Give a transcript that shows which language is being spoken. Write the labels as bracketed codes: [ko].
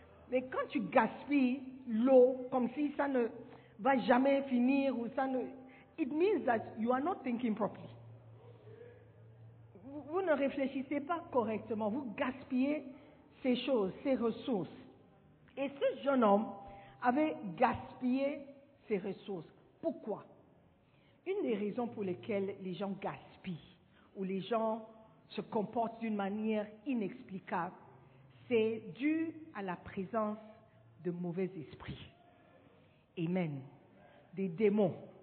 [fr] Mais quand tu gaspilles l'eau comme si ça ne va jamais finir ou ça ne... [en] It means that you are not thinking properly. [fr] Vous ne réfléchissez pas correctement. Vous gaspillez ces choses, ces ressources. Et ce jeune homme avait gaspillé ses ressources. Pourquoi? Une des raisons pour lesquelles les gens gaspillent ou les gens se comportent d'une manière inexplicable, c'est dû à la présence de mauvais esprits. Amen. Des démons.